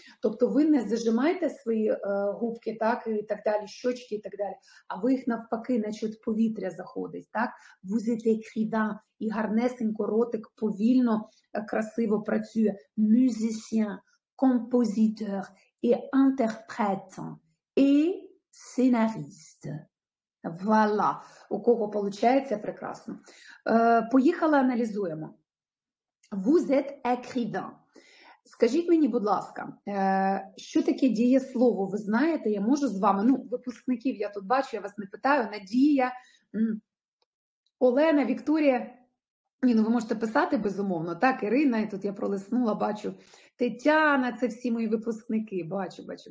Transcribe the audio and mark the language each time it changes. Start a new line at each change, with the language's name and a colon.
Ukrainian: Тобто ви не зажимаєте свої губки, так, і так далі, щочки і так далі, а ви їх навпаки, наче от повітря заходить, так?
French: Vous êtes écrivain,
Ukrainian: і гарнесенько ротик повільно, красиво працює.
French: Musicien, compositeur, et interprète, et scénariste. Voilà.
Ukrainian: У кого получається прекрасно. Поїхали, аналізуємо.
French: Vous êtes écrivain.
Ukrainian: Скажіть мені, будь ласка, що таке дієслово? Ви знаєте, я можу з вами, ну, випускників я тут бачу, я вас не питаю, Надія, Олена, Вікторія, ні, ну ви можете писати безумовно, так, Ірина, і тут я пролиснула, бачу, Тетяна, це всі мої випускники, бачу.